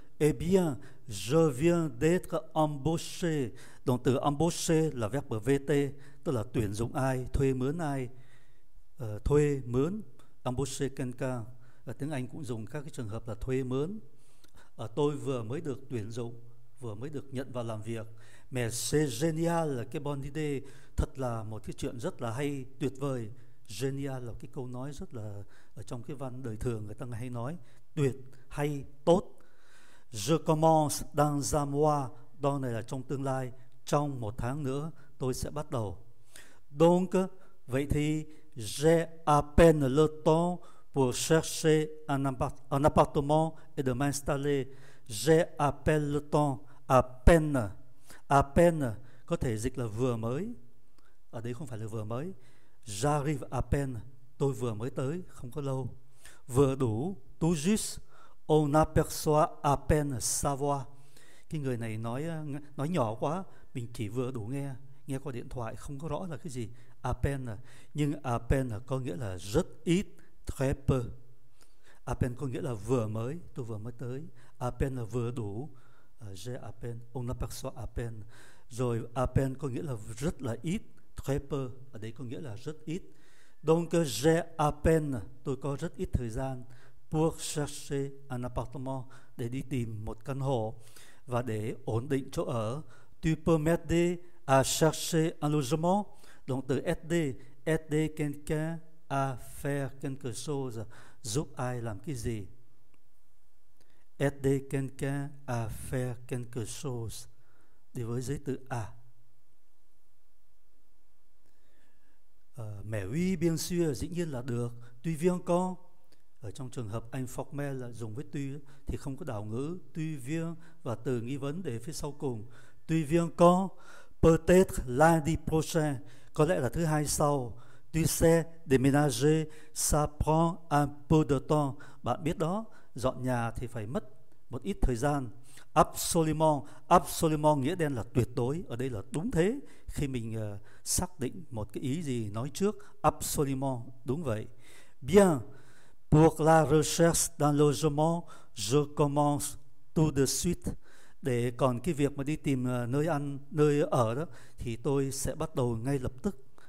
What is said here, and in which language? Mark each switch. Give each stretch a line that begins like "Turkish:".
French: Eh bien, je viens d'être embauché.
Vietnamese: Động từ embauché là verb VT, tức là tuyển dụng ai, thuê mướn ai. Thuê mướn,
French: embauché quelqu'un.
Vietnamese: Tiếng Anh cũng dùng các cái trường hợp là thuê mướn. Tôi vừa mới được tuyển dụng, vừa mới được nhận vào làm việc.
French: Mais c'est génial,
Vietnamese: là cái bonne idée, thật là một cái chuyện rất là hay, tuyệt vời. Génial là cái câu nói rất là ở trong cái văn đời thường người ta hay nói, tuyệt, hay, tốt.
French: Je commence dans un mois,
Vietnamese: đó này là trong tương lai, trong một tháng nữa tôi sẽ bắt đầu.
French: Donc,
Vietnamese: vậy thì
French: j'ai à peine le temps pour chercher un appartement et de m'installer. J'ai à peine le temps, à peine.
Vietnamese: À peine có thể dịch là vừa mới. Ở đây không phải là vừa mới.
French: J'arrive à peine,
Vietnamese: tôi vừa mới tới, không có lâu. Vừa đủ,
French: tout juste. On aperçoit à peine sa voix.
Vietnamese: Cái người này nói nhỏ quá, mình chỉ vừa đủ nghe, nghe qua điện thoại, không có rõ là cái gì. À peine, nhưng à peine có nghĩa là rất ít,
French: très peu.
Vietnamese: À peine có nghĩa là vừa mới, tôi vừa mới tới. À peine là vừa đủ.
French: J'ai à peine, on aperçoit à peine.
Vietnamese: Rồi à peine có nghĩa là rất là ít,
French: très peu.
Vietnamese: Ở đây có nghĩa là rất ít.
French: Donc j'ai à peine,
Vietnamese: tôi có rất ít thời gian
French: pour chercher un appartement,
Vietnamese: để đi tìm một căn hộ và để ổn định chỗ ở.
French: Tu peux m'aider à chercher un logement,
Vietnamese: động từ
French: aider quelqu'un à faire quelque chose,
Vietnamese: giúp ai làm cái gì.
French: Aider quelqu'un à faire quelque chose,
Vietnamese: đi với giấy từ à.
French: Mais oui, bien sûr,
Vietnamese: dĩ nhiên là được.
French: Tuy viens quand,
Vietnamese: ở trong trường hợp informel là dùng với tuy thì không có đảo ngữ. Tuy viens và từ nghi vấn để phía sau cùng.
French: Tuy viens quand, peut-être lundi prochain,
Vietnamese: có lẽ là thứ hai sau.
French: Tu sais, déménager, ça prend un peu de temps.
Vietnamese: Bạn biết đó, dọn nhà thì phải mất một ít thời gian. Absolument, absolument nghĩa đen là tuyệt đối. Ở đây là đúng thế, khi mình xác định một cái ý gì nói trước. Absolument, đúng vậy.
French: Bien, pour la recherche d'un logement, je commence tout de suite.
Vietnamese: Để còn cái việc mà đi tìm nơi ăn, nơi ở đó, thì tôi sẽ bắt đầu ngay lập tức.